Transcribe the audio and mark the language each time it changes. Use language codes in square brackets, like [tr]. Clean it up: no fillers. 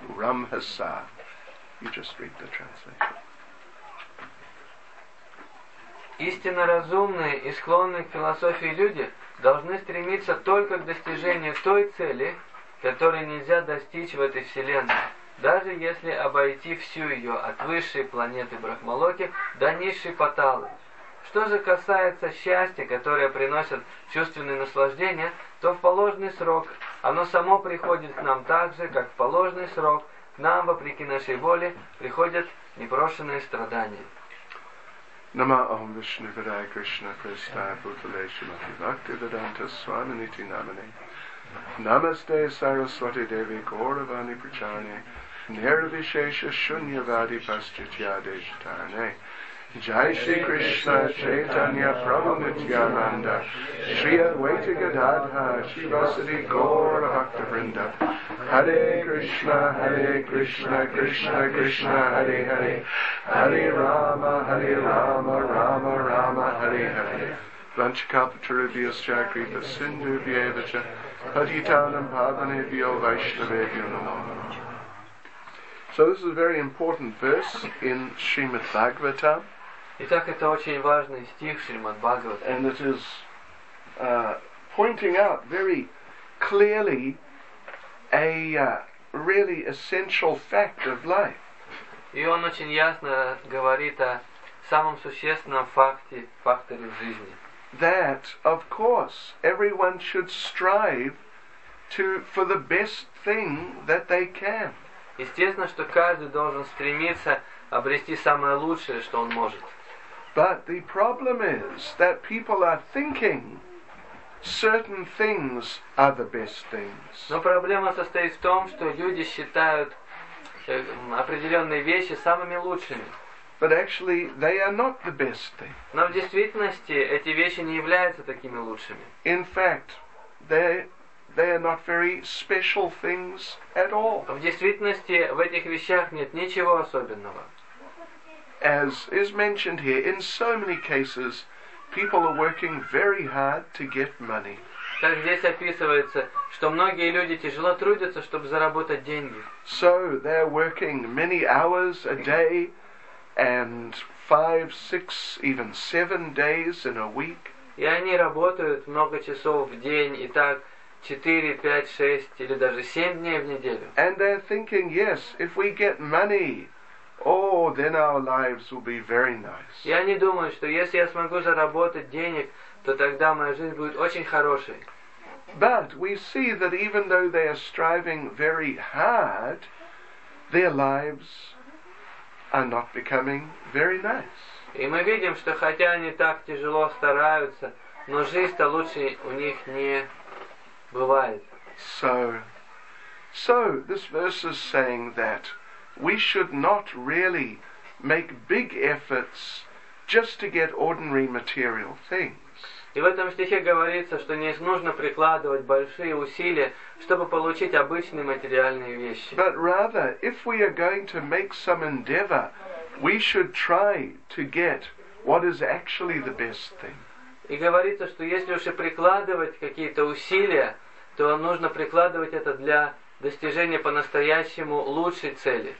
[en] You just read the translation. [ru] Истинно разумные и склонные к философии люди должны стремиться только к достижению той цели, которой нельзя достичь в этой вселенной, даже если обойти всю ее, от высшей планеты Брахмалоки до низшей Паталы. Что же касается счастья, которое приносит чувственные наслаждения, то в положенный срок оно само приходит к нам так же, как в положенный срок нам, вопреки нашей воле, приходят непрошенные страдания. [sa] Нама Ом Вишну Вирая Кришна Пристая Бутале Шимати Бхакти Веданта Свами Нити Намани Намасте Сарасвати Деви Гауравани Причарани Нирвишеша Шуньявади Пасчитья Дежитарани Jai Shri Krishna Chaitanya Prabhu Nityananda Shri Advaita Gadadha Shivasati Gaura Bhakta Vrinda Hare Krishna Hare Krishna Krishna Krishna Hare Hare Hare Rama Hare Rama Rama Rama Hare Hare Vanchakalpataruvyaschakripa Sindhuvyevacha Padhitanam Pavanevyo Vaishnavevyo Namo. [en] So this is a very important verse in Srimad Bhagavatam. [ru] Итак, это очень важный стих Шримад Бхагаватам. [en] And it is pointing out very clearly a really essential fact of life. [ru] И он очень ясно говорит о самом существенном факте, факторе жизни. [en] That, of course, everyone should strive to for the best thing that they can. [ru] Естественно, что каждый должен стремиться обрести самое лучшее, что он может. [en] But the problem is that people are thinking certain things are the best things. [ru] Но проблема состоит в том, что люди считают определенные вещи самыми лучшими. [en] But actually, they are not the best thing. [ru] Но в действительности эти вещи не являются такими лучшими. [en] In fact, they are not very special things at all. [ru] В действительности в этих вещах нет ничего особенного. [en] As is mentioned here, in so many cases, people are working very hard to get money. [ru] Так здесь описывается, что многие люди тяжело трудятся, чтобы заработать деньги. [en] So they're working many hours a day, and 5, 6, even 7 days in a week. [ru] И они работают много часов в день, и так 4, 5, 6, или даже 7 дней в неделю. [en] And they're thinking, yes, if we get money, oh, then our lives will be very nice. [ru] Я не думаю, что если я смогу заработать денег, то тогда моя жизнь будет очень хорошей. [en] But we see that even though they are striving very hard, their lives are not becoming very nice. [ru] И мы видим, что хотя они так тяжело стараются, но жизнь-то лучше у них не бывает. [en] So this verse is saying that we should not really make big efforts just to get ordinary material things. [ru] И в этом стихе говорится, что не нужно прикладывать большие усилия, чтобы получить обычные материальные вещи. [en] But rather, if we are going to make some endeavor, we should try to get what is actually the best thing. [ru] И говорится, что если уж и прикладывать какие-то усилия, то нужно прикладывать это для достижение по-настоящему лучшей цели.